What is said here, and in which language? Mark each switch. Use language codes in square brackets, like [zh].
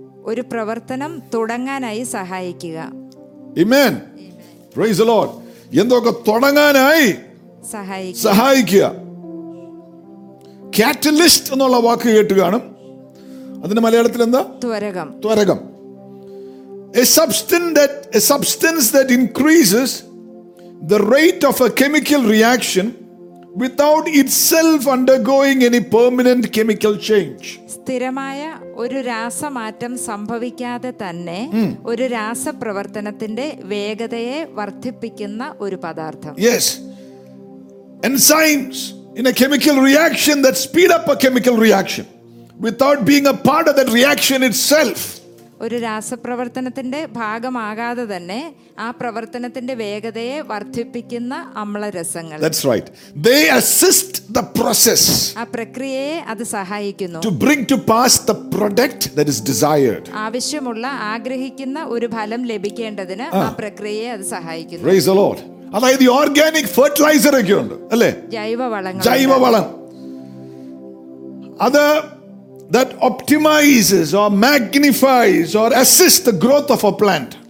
[ml] ഒരു പ്രവർത്തനം തുടങ്ങാനായി സഹായിക്കുക. ആമേൻ. [en] Praise the Lord. [ml] എന്തൊക്കെ തുടങ്ങാനായി സഹായിക്കുക. കാറ്റലിസ്റ്റ് എന്നുള്ള വാക്ക് കേട്ടുകാണും. അതിന്റെ മലയാളത്തിൽ എന്താ? ത്വരകം. ത്വരകം. [en] A substance that increases the rate of a chemical reaction without itself undergoing any permanent chemical change. [ml] സ്ഥിരമായ ഒരു രാസമാറ്റം സംഭവിക്കാതെ തന്നെ ഒരു രാസപ്രവർത്തനത്തിന്റെ വേഗതയെ വർദ്ധിപ്പിക്കുന്ന ഒരു പദാർത്ഥം. [en] Yes. Enzymes in a chemical reaction that speed up a chemical reaction without being a part of that reaction itself. [ml] ഒരു രാസപ്രവർത്തനത്തിന്റെ ഭാഗമാകാതെ തന്നെ ആ പ്രവർത്തനത്തിന്റെ വേഗതയെ വർദ്ധിപ്പിക്കുന്ന അമ്ലരസങ്ങൾ. [en] That's right. They assist the process. [ml] ആ പ്രക്രിയയെ അത് സഹായിക്കുന്നു. [en] To bring to pass the product that is desired. [ml] ആവശ്യമുള്ള ആഗ്രഹിക്കുന്ന ഒരു ഫലം ലഭിക്കേണ്ടതിന് ആ പ്രക്രിയയെ അത് സഹായിക്കുന്നു. [en] Praise the Lord. [ml] അതായത് ഈ ഓർഗാനിക് ഫെർട്ടിലൈസർ ഒക്കെ ഉണ്ട് അല്ലേ? ജൈവവളങ്ങൾ. ജൈവവളം. അത് [en] that optimizes or magnifies or assists the growth of a plant.